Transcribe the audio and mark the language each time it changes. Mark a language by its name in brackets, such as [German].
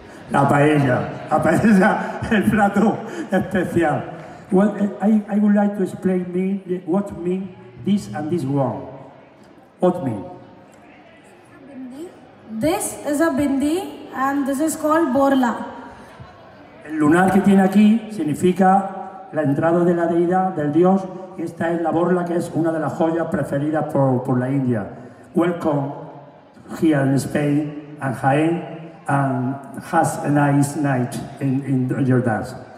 [Spanish] La paella. La paella, el plato especial. [English] Well, I would like to explain me the, what mean this and this one. What mean? This is a bindi and this is called borla. [Spanish] El lunar que tiene aquí significa la entrada de la deidad, del dios. Y esta es la borla, que es una de las joyas preferidas por la India. [English] Welcome here in Spain and Jaén and has a nice night in your dance.